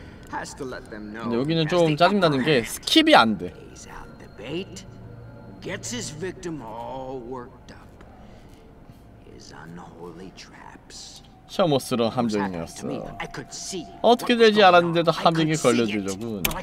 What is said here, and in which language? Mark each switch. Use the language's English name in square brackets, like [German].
[Korean] 근데 여기는 좀 짜증나는 게 스킵이 안 돼. [English] Bait gets his victim all worked up. His unholy traps. [Korean] 혐오스러운 함정이었어. 어떻게 되지 않았는데도 함정이 걸려주더군.